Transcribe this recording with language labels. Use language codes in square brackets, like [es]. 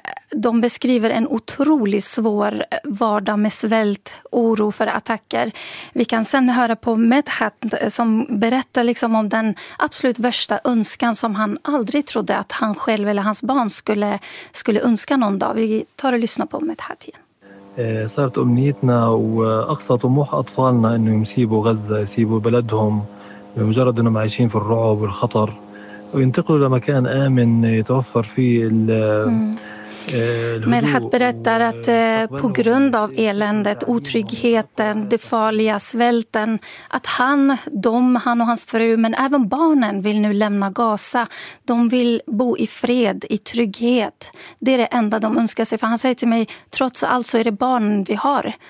[sv] De beskriver en otroligt svår vardag med svält, oro för attacker. Vi kan sen höra på Medhat som berättar liksom om den absolut värsta önskan som han aldrig trodde att han själv eller hans barn skulle önska någon dag. Vi tar och lyssnar på Medhat igen. [ar] صارت أمنيتنا وأقصى طموح أطفالنا إنه يسيبوا غزة، يسيبوا بلدهم بمجرد إنهم عايشين في الرعب والخطر وينتقلوا لمكان آمن يتوفر فيه. [sv] Medhat berättar att på grund av eländet, otryggheten, det farliga, svälten, att han och hans fru, men även barnen, vill nu lämna Gaza. De vill bo i fred, i trygghet. Det är det enda de önskar sig. För han säger till mig, trots allt så är det barnen vi har.